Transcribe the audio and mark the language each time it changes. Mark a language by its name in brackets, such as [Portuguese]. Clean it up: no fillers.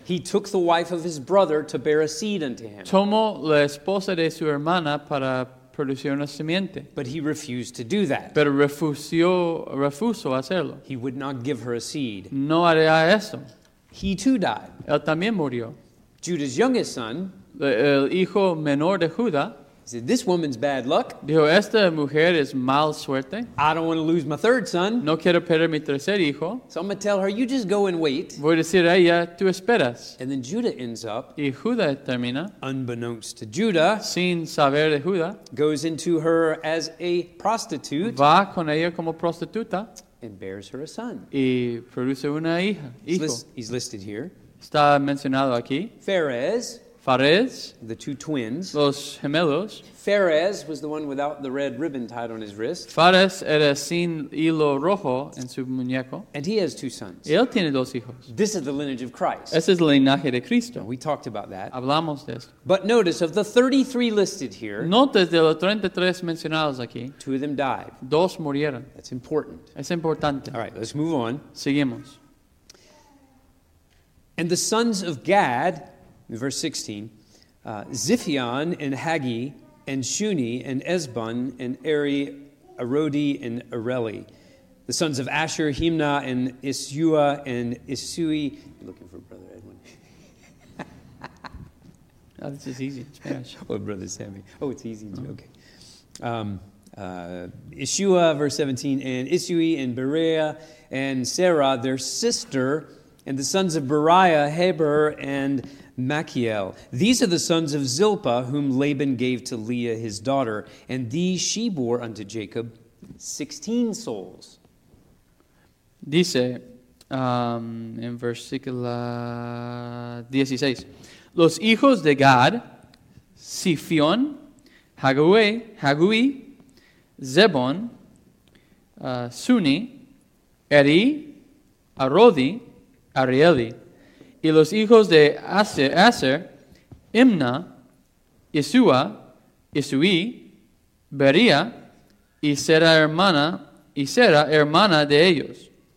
[English] He took the wife of his brother to bear a seed unto him. [Spanish] Tomó la esposa de su hermana para producir una simiente. [English] But he refused to do that. [Spanish] Pero refusó hacerlo. [English] He would not give her a seed. [Spanish] No haría eso. [English] He too died. [Spanish] Él también murió. [English] Judah's youngest son, [Spanish] el hijo menor de Judá, [English] said, this woman's bad luck. [Spanish] Dijo, esta mujer es mal suerte. [English] I don't want to lose my third son. [Spanish] No quiero perder mi tercer hijo. [English] So I'm going to tell her, you just go and wait. [Spanish] Voy a decir a ella, tú esperas. [English] And then Judah ends up, [Spanish] y Judah termina, [English] unbeknownst to Judah, [Spanish] sin saber de Judah, [English] goes into her as a prostitute, [Spanish] va con ella como prostituta, [English] and bears her a son. [Spanish] Y produce una hija, hijo. [English] He's listed here. [Spanish] Está mencionado aquí. [English] Phares. [Spanish] Phares, [English] the two twins, [Spanish] los gemelos. [English] Phares was the one without the red ribbon tied on his wrist. [Spanish] Phares era sin hilo rojo en su muñeco. [English] And he has two sons. [Spanish] Y él tiene dos hijos. [English] This is the lineage of Christ. [Spanish] Ese es el linaje de Cristo. [English] We talked about that. [Spanish] Hablamos de esto. [English] But notice, of the 33 listed here, [Spanish] notas de los 33 mencionados aquí, [English] two of them died. [Spanish] Dos murieron. [English] That's important. [Spanish] Es importante. [English] All right, let's move on. [Spanish] Seguimos. [English] And the sons of Gad, verse 16, Ziphion and Haggi and Shuni and Esbon and Eri, Arodi and Areli, the sons of Asher, Himna and Isua and Isui. I'm looking for Brother Edwin. Oh, this is easy in Spanish. Oh, Brother Sammy. Oh, it's easy. Oh. Okay. Isua, verse 17, and Isui and Berea and Sarah, their sister, and the sons of Beriah, Heber, and Machiel. These are the sons of Zilpah, whom Laban gave to Leah his daughter, and these she bore unto Jacob 16 souls. [Spanish] Dice, en versículo 16, los hijos de Gad, Ziphion, Haggui, Zebon, Suni, Eri, Arodi, Arieli, y los hijos de Aser, Imna, Yeshua, Yeshui, Beria, y Sera hermana, y Sera hermana de ellos.